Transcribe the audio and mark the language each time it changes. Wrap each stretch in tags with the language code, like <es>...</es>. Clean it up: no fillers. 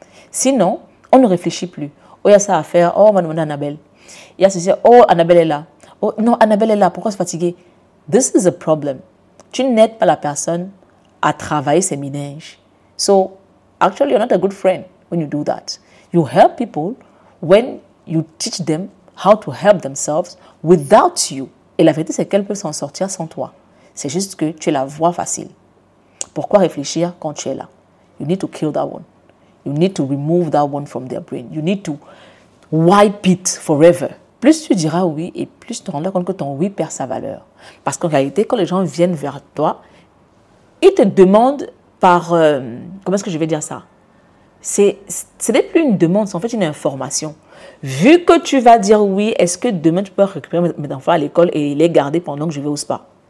<fr>Sinon, on ne réfléchit plus. Oh, il y a ça à faire. Oh, on va demander à Annabelle. Il y a ceci. Oh, Annabelle est là. Oh, non, Annabelle est là. Pourquoi se fatiguer?</fr> <en>This is a problem.</en> <fr>Tu n'aides pas la personne à travailler ses ménages.</fr> <en>So, actually, you're not a good friend when you do that. You help people when you teach them how to help themselves without you.</en> <fr>Et la vérité, c'est qu'elles peuvent s'en sortir sans toi. C'est juste que tu es la voie facile. Pourquoi réfléchir quand tu es là?</fr> <en>You need to kill that one. You need to remove that one from their brain. You need to wipe it forever.</en> <fr>Plus tu diras oui et plus tu te rendras compte que ton oui perd sa valeur. Parce qu'en réalité, quand les gens viennent vers toi, ils te demandent par... comment est-ce que je vais dire ça? Ce n'est plus une demande, c'est en fait une information. Vu que tu vas dire oui, est-ce que demain tu peux récupérer mes enfants à l'école et les garder pendant que je vais au spa?</fr>